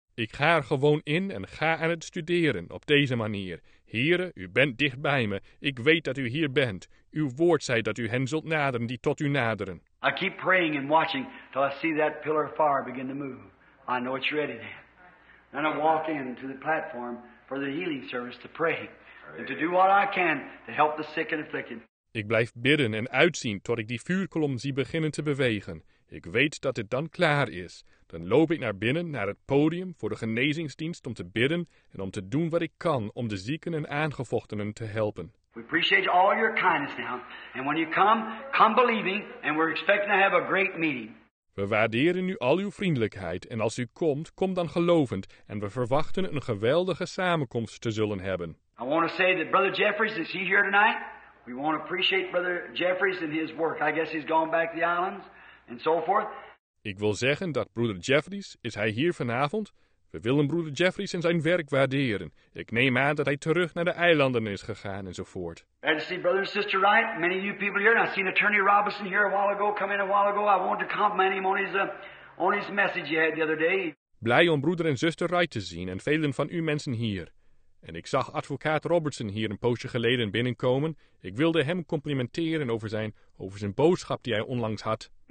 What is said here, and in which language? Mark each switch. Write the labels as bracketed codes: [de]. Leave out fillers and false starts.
[nl] Ik ga er gewoon in en ga aan het studeren op deze manier. Heren, u bent dicht bij me. Ik weet dat u hier bent. Uw woord zei dat u hen zult naderen die tot u naderen. [en] I keep praying and watching till I see that pillar of fire begin to move. I know it's ready then. Then I walk in to the platform for the healing service to pray and to do what I can to help the sick and afflicted. [nl] Ik blijf bidden en uitzien tot ik die vuurkolom zie beginnen te bewegen. Ik weet dat het dan klaar is. Dan loop ik naar binnen, naar het podium, voor de genezingsdienst om te bidden en om te doen wat ik kan om de zieken en aangevochtenen te helpen. [en] We appreciate all your kindness now. And when you come, come believing, and we're expecting to have a great meeting. [nl] We waarderen nu al uw vriendelijkheid, en als u komt, kom dan gelovend, en we verwachten een geweldige samenkomst te zullen hebben. [en] I want to say that Brother Jeffries, is he here tonight? We want to appreciate Brother Jeffries and his work. I guess he's gone back to the islands, and so forth. [nl] Ik wil zeggen dat Brother Jeffries, is hij hier vanavond? We willen broeder Jeffries en zijn werk waarderen. Ik neem aan dat hij terug naar de eilanden is gegaan enzovoort. [en] I see brother and sister Wright, many of you people here. And I seen attorney Robinson here a while ago, come in a while ago. I want to compliment him on his message he had the other day. [nl] Blij om broeder en zuster Wright te zien en velen van u mensen hier. en ik zag advocaat Robertson hier een poosje geleden binnenkomen. Ik wilde hem complimenteren over zijn boodschap die hij onlangs had.